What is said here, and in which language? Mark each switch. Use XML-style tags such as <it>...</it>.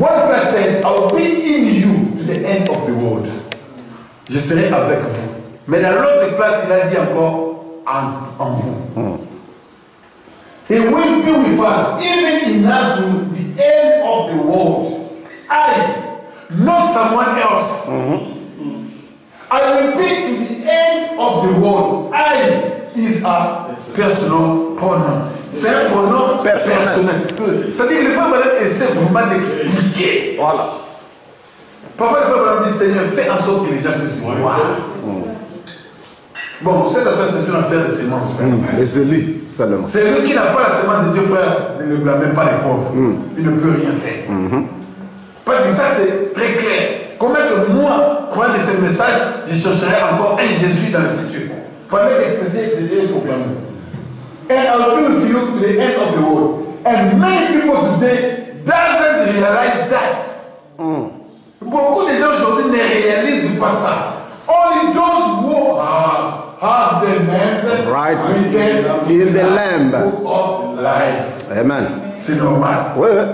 <en>One person, I will be in you to the end of the world.</en> <fr>Je serai avec vous. Mais dans l'autre place, il a dit encore en vous.</fr> <en>He will be with us, even in us to the end of the world. I, not someone else. I will be to the end of the world. I is a personal pronoun.</en> <fr>C'est un pronom personnel. C'est-à-dire que le frère Branham essaie vraiment d'expliquer. Voilà. Parfois, je vais dire, Seigneur, fais en sorte que les gens puissent voir. Bon, cette affaire, c'est une affaire de sémence, frère. Mais c'est lui, seulement. C'est lui qui n'a pas la sémence de Dieu, frère. Il ne blâme même pas les pauvres. Il ne peut rien faire. Parce que ça, c'est très clair. Comment est-ce que moi, croyant de ce message, je chercherai encore un Jésus dans le futur? Pendant que tu sais, il y a un problème.</fr> <en>And I will be you to the end of the world. And many people today doesn't realize that.</en> <fr>Beaucoup de gens aujourd'hui ne réalisent pas ça.</fr> <en>Only those who have the names right written in the Lamb book of life. Amen.</en> <fr>C'est normal. Oui.</fr>